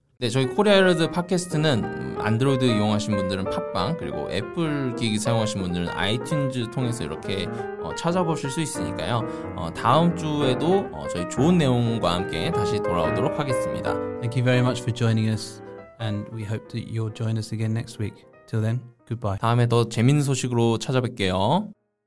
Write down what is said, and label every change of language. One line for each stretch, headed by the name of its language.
Korean: 네, 저희 코리아르드 팟캐스트는 안드로이드 이용하신 분들은 팟빵, 그리고 애플 기기 사용하신 분들은 아이튠즈 통해서 이렇게 찾아보실 수 있으니까요. 다음 주에도 저희 좋은 내용과 함께 다시 돌아오도록 하겠습니다.
English: Thank you very much for joining us, and we hope that you'll join us again next week. Till then, goodbye.
Korean: 다음에 더 재밌는 소식으로 찾아뵐게요.